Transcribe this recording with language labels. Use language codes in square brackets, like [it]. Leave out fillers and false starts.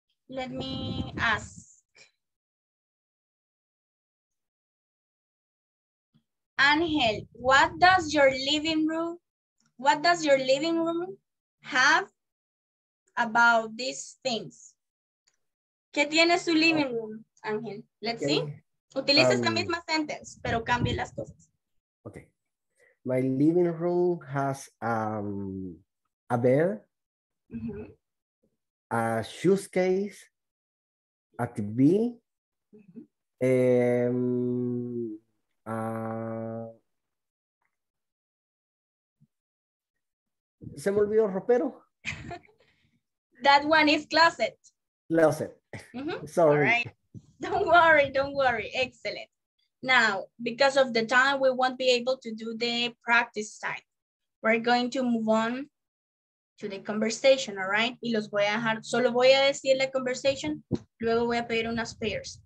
[en] Let me ask. Angel, what does your living room, what does your living room have about these things? [es] ¿Qué tiene su living room, Angel? [en] Let's okay. see. [es] Utiliza esta misma sentence, pero cambie las cosas. [en] Okay. My living room has a bed, mm-hmm. a shoes case, a TV, [es] se me olvidó ropero. [en] That one is closet. Closet. Mm-hmm. Sorry. All right. Don't worry, don't worry. Excellent. Now, because of the time, we won't be able to do the practice time. We're going to move on to the conversation, all right? [es] Y los voy a dejar, solo voy a decir la conversation, luego voy a pedir unas pairs.